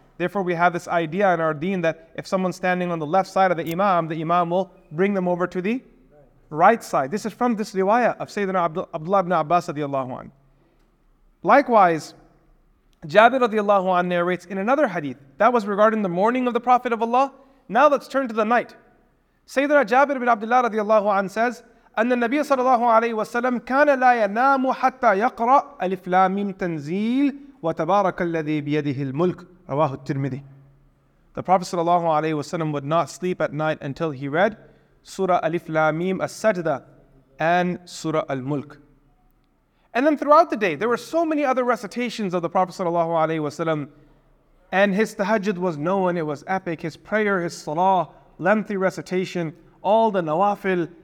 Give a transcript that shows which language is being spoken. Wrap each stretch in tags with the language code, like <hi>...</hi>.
<en>Therefore, we have this idea in our deen that if someone's standing on the left side of the imam will bring them over to the right side. This is from this riwayah of Sayyidina Abdullah ibn Abbas radiallahu anhu. Likewise, Jabir radiallahu anhu narrates in another hadith that was regarding the morning of the Prophet of Allah. Now let's turn to the night. Sayyidina Jabir ibn Abdullah radiallahu anhu says,</en> <ar>أن النبي صلى الله عليه وسلم كان لا ينام حتى يقرأ ألف لام ميم تنزيل وتبارك الذي بيده الملك رواه الترمذي.</ar> <en>The Prophet صلى الله عليه وسلم would not sleep at night until he read Surah Alif Lam Mim As-Sajda and Surah Al-Mulk. And then throughout the day, there were so many other recitations of the Prophet صلى الله عليه وسلم, and his tahajjud was known, it was epic, his prayer, his salah, lengthy recitation, all the nawafil.</en>